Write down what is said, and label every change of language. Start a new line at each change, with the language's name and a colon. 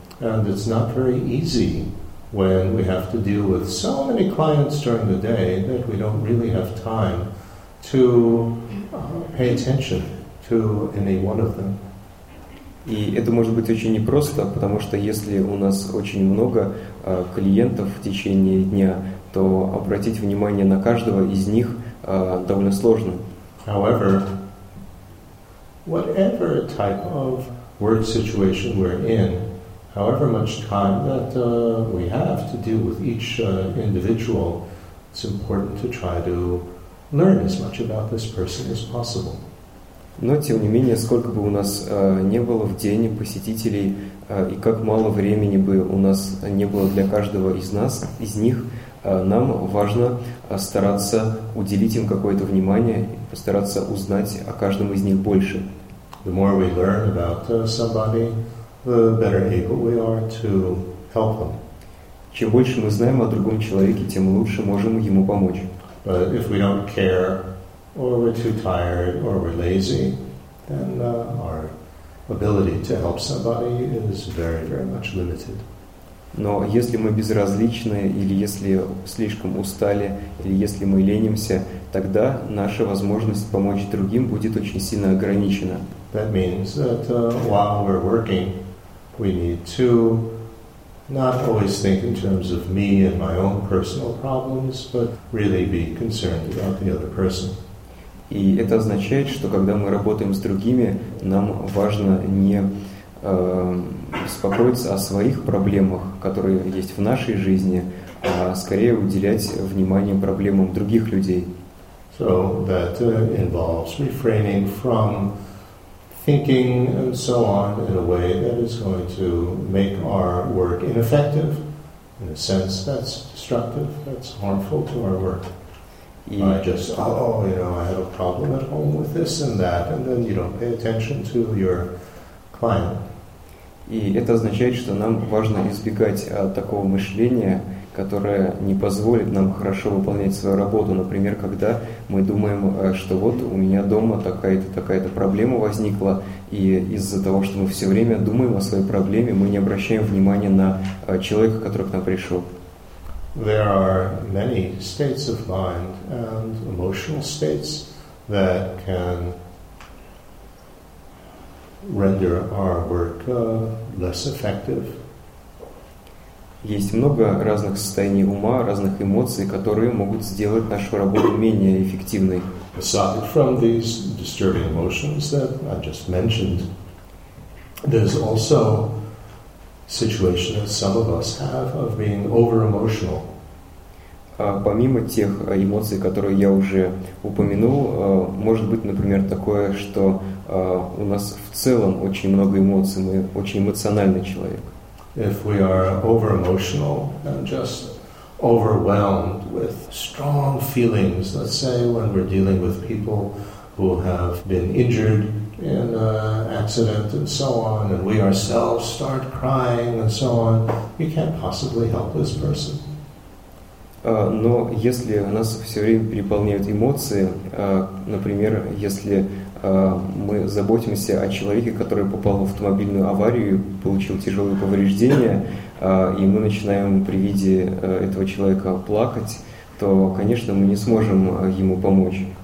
English: And it's not very easy when we have to deal with so many clients during the day that we don't really have time to pay attention to any one of them.
Russian: И это может быть очень непросто, потому что если у нас очень много клиентов в течение дня, то обратить внимание на каждого из них довольно сложно.
English: However, whatever type of work situation we're in, however much time that we have to deal with each individual, it's important to try to learn as much about this person as possible.
Russian: Но, тем не менее, сколько бы у нас не было в день посетителей, и как мало времени бы у нас не было для каждого из нас, из них, нам важно стараться уделить им какое-то внимание, постараться узнать о каждом из них больше.
English: The more we learn about somebody, the better able we are to help them.
Russian: Чем больше мы знаем о другом человеке, тем лучше можем ему помочь.
English: But if we don't care, or we're too tired, or we're lazy, then our ability to help somebody is very, very much limited.
Russian: Но если мы безразличны, или если слишком устали, или если мы ленимся, тогда наша возможность помочь другим будет очень сильно ограничена.
English: That means that while we're working, we need to not always think in terms of me and my own personal problems, but really be concerned about the other person.
Russian: И это означает, что когда мы работаем с другими, нам важно не беспокоиться о своих проблемах, которые есть в нашей жизни, а скорее уделять внимание проблемам других людей.
English: So that involves refraining from thinking and so on in a way that is going to make our work ineffective, in a sense that's destructive, that's harmful to our work. I had a problem at home with this and that, and then you don't pay attention to your client.
Russian: И это означает, что нам важно избегать такого мышления, которое не позволит нам хорошо выполнять свою работу. Например, когда мы думаем, что вот у меня дома такая-то проблема возникла, и из-за того, что мы все время думаем о своей проблеме, мы не обращаем внимания на человека, который к нам пришел.
English: There are many states of mind and emotional states that can render our work less effective.
Russian: Есть много разных состояний ума, разных эмоций, которые могут сделать нашу работу менее эффективной.
English: Aside from these disturbing emotions that I just mentioned, there's also a situation that some of us have of being over-emotional.
Russian: Помимо тех эмоций, которые я уже упомянул, может быть, например, такое, что у нас в целом очень много эмоций, мы очень эмоциональный человек.
English: If we are over-emotional and just overwhelmed with strong feelings, let's say when we're dealing with people who have been injured in an accident and so on, and we ourselves start crying and so on, we can't possibly help this person.
Russian: Но если нас все время переполняют эмоции, например, если мы заботимся о человеке, который попал в автомобильную аварию, получил тяжелые повреждения, и мы начинаем при виде этого человека плакать, то, конечно, мы не сможем ему помочь.